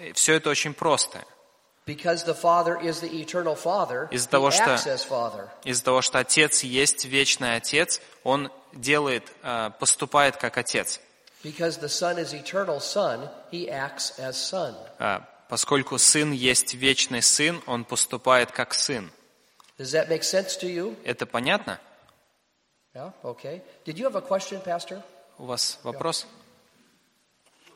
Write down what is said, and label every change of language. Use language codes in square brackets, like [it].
[ru] Все это очень просто. [en] Because the Father is the eternal Father, He acts as Father. [ru] Из-за того, что Отец есть вечный Отец, Он делает, поступает как Отец. [en] Because the Son is eternal Son, He acts as Son. [ru] Поскольку Сын есть вечный Сын, Он поступает как Сын. [en] Does that make sense to you? [ru] Это понятно? [en] Yeah, okay. Did you have a question, Pastor? [ru] У вас вопрос? Yeah.